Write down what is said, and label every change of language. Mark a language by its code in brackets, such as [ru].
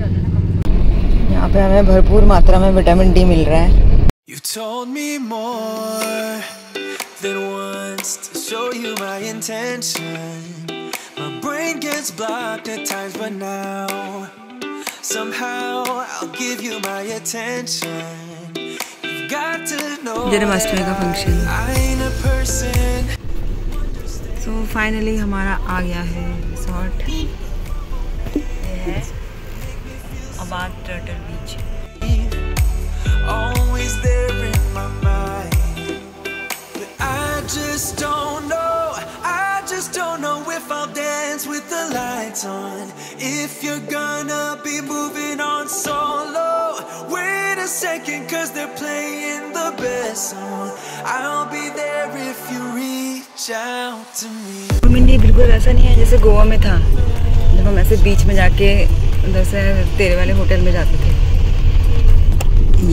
[hi] यहाँ पे हमें भरपूर मात्रा में विटामिन डी मिल रहा है। [en] You told me more than once to show you my intention. My brain gets blocked at times, but now somehow I'll give you my attention. You've got to know. Dinner must make a function. I ain't a person. So finally, [hi] हमारा आ गया है resort. ये है अबाद Turtle Beach. [en] Always there in my mind, but I just don't know. I just don't know if I'll dance with the lights on. If you're gonna be moving on solo, wait a second, 'cause they're playing the best song. I'll be there if you reach out to me. [hi] Mindy, बिल्कुल वैसा नहीं है जैसे गोवा में था, जब हम ऐसे बीच में जाके उधर से तेरे वाले होटल में जाते थे।